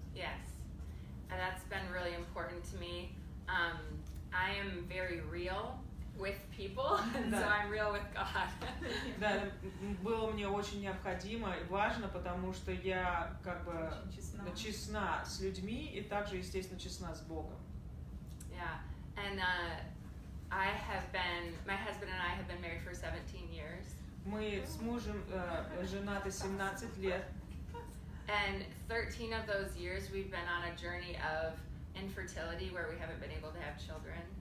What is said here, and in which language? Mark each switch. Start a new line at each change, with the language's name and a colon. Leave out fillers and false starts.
English: Yes, and that's been really important to me. I am very real with people, and so I'm real with God.
Russian: Да, было мне очень необходимо и важно, потому что я как бы честна с людьми и также, естественно, честна с Богом.
English: Yeah, and I have been, my husband and I have been married for 17 years.
Russian: Мы с мужем женаты 17 лет.
English: And 13 of those years we've been on a journey of infertility where we haven't been able to have children.